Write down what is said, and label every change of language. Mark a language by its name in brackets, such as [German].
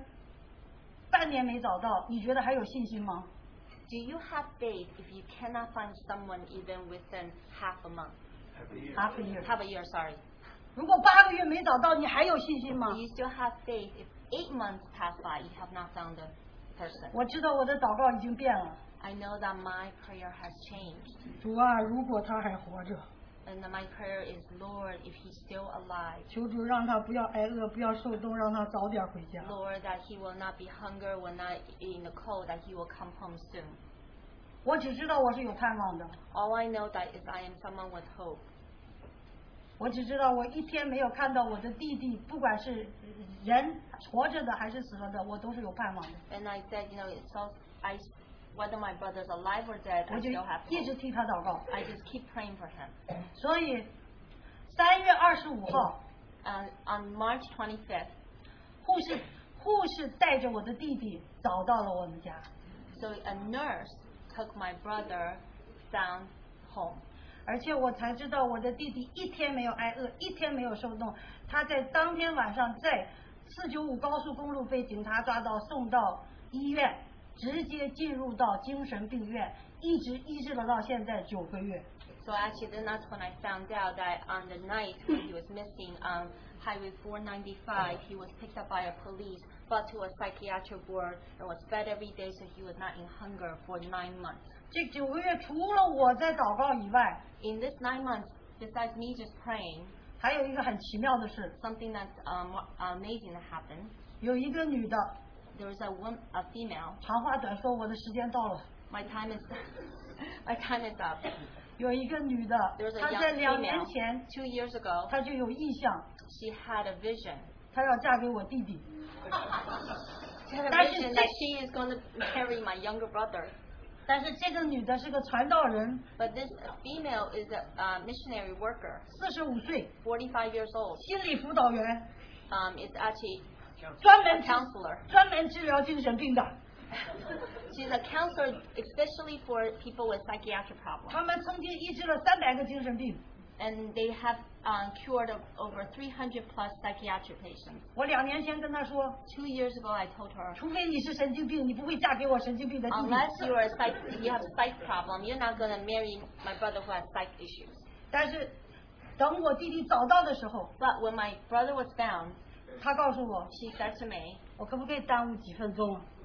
[Chinese] 如果一个人半年没找到, 你觉得还有信心吗? [English] Do you have faith if you cannot find someone even within half a month? Half a year, sorry. [Chinese] 如果8个月没找到, 你还有信心吗? [English] Do you still have faith if 8 months pass by, you have not found the person? [Chinese] 我知道我的祷告已经变了. [English] I know that my prayer has changed. [Chinese] 主啊, 如果他还活着, [English] and my prayer is, Lord, if he's still alive, [Chinese] 求主让他不要挨饿, 不要受冻, 让他早点回家. [English] Lord, that he will not be hungry, will not in the cold, that he will come home soon. [Chinese] 我只知道我是有盼望的. [English] All I know that is I am someone with hope. [Chinese] 我只知道我一天没有看到我的弟弟, 不管是人活着的还是死了的, 我都是有盼望的. [English] And I said, you know, whether my brother's alive or dead, I still have hope. [Chinese] 一直替他祷告. [English] I just keep praying for him. [Chinese] 所以, 3月25号, [English] on March 25th, [Chinese] 护士带着我的弟弟找到了我们家. [English] So a nurse took my brother down home. [Chinese] 而且我才知道我的弟弟一天没有挨饿, 一天没有受冻, 他在当天晚上在495高速公路被警察抓到, 送到医院, 直接进入到精神病院, 一直医治了到现在9个月. [English] So actually then that's when I found out that on the night he was missing on Highway 495, he was picked up by a police, brought to a psychiatric ward, and was fed every day, so he was not in hunger for 9 months. [Chinese] 这9个月除了我在祷告以外, [English] in this 9 months, besides me just praying, [Chinese] 还有一个很奇妙的事, [English] something that's amazing that happened. [Chinese] 有一个女的, [English] there was a female. [Chinese] 长话短说, 我的时间到了, [English] my time is up. [Chinese] 有一个女的, [English] there was a [Chinese] 她在2年前, [English] female, 2 years ago, [Chinese] 她就有意向, [English] she had a vision. [Chinese] 她要嫁给我弟弟. [English] She is going to marry my younger brother. [Chinese] 但是这个女的是个传道人, [English] but this female is a missionary worker. [Chinese] 45岁, [English] 45 years old. [Chinese] 心理辅导员, [English] it's actually [Chinese] 专门, [English] counselor. [Chinese] 专门治疗精神病的. [English] She's a counselor especially for people with psychiatric problems. [Chinese] 他们曾经医治了300个精神病. [English] And they have cured over 300 plus psychiatric patients. [Chinese] 我2年前跟她说, [English] 2 years ago I told her, [Chinese] 除非你是神经病, 你不会嫁给我神经病的弟弟. [English] Unless you are you have a psych problem, you're not going to marry my brother who has psych issues. [Chinese] 但是等我弟弟找到的时候, [English] but when my brother was found, [Chinese] 他告诉我, [English] she said to me, [Chinese] 我可不可以耽误几分钟?